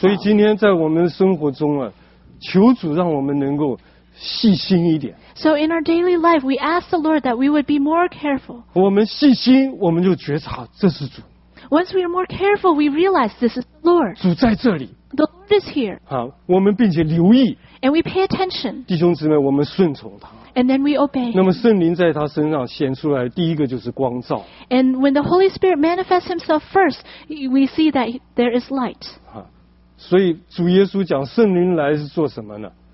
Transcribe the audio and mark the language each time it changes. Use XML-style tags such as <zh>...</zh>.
<zh>所以今天在我们的生活中啊，求主让我们能够细心一点。</zh> <en>So in our daily life, we ask the Lord that we would be more careful.</en> <zh>我们细心，我们就觉察这是主。</zh> <en>Once we are more careful, we realize this is the Lord.</en> <zh>主在这里。</zh> <en>The Lord is here.</en> <zh>好，我们并且留意。</zh> <en>And we pay attention.</en> <zh>弟兄姊妹，我们顺从他。</zh> <en>And then we obey.</en> <zh>那么圣灵在他身上显出来，第一个就是光照。</zh> <en>And when the Holy Spirit manifests himself first, we see that there is light.</en> <zh>所以主耶稣讲圣灵来是做什么呢？</zh>